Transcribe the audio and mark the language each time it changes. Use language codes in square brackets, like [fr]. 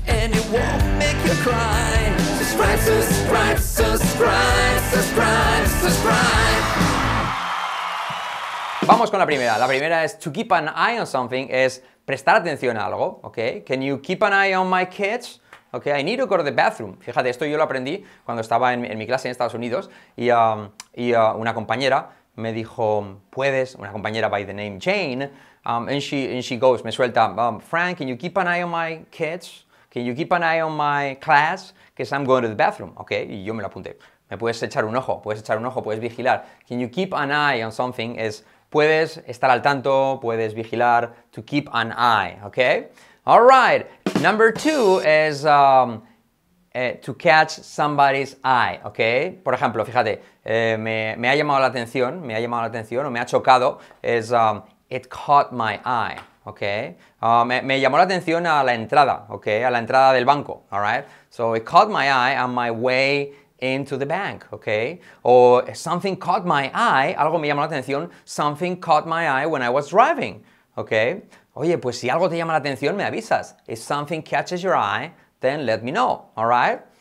[en] And it won't make you cry. Subscribe, subscribe, subscribe, subscribe, subscribe. [es] Vamos con la primera. La primera es [en] to keep an eye on something. [es] Es prestar atención a algo. Okay. [en] Can you keep an eye on my kids? Ok, I need to go to the bathroom. [es] Fíjate, esto yo lo aprendí cuando estaba en mi clase en Estados Unidos y una compañera me dijo, ¿puedes? Una compañera [en] by the name Jane, and she goes, [es] me suelta, [en] Frank, can you keep an eye on my kids? Can you keep an eye on my class? Because I'm going to the bathroom. Ok, [es] y yo me lo apunté. Me puedes echar un ojo, puedes echar un ojo, puedes vigilar. [en] Can you keep an eye on something? [es] Es, puedes estar al tanto, puedes vigilar, [en] to keep an eye, ok? All right, number two is to catch somebody's eye, ¿ok? [es] Por ejemplo, fíjate, me ha llamado la atención, me ha llamado la atención o me ha chocado, es [en] it caught my eye, [es] ¿ok? Me llamó la atención a la entrada, ¿ok? A la entrada del banco, [en] all right? So it caught my eye on my way into the bank, ¿ok? O something caught my eye, [es] algo me llamó la atención, [en] something caught my eye when I was driving, ¿ok? [es] Oye, pues si algo te llama la atención, me avisas. [en] If something catches your eye, then let me know, all right?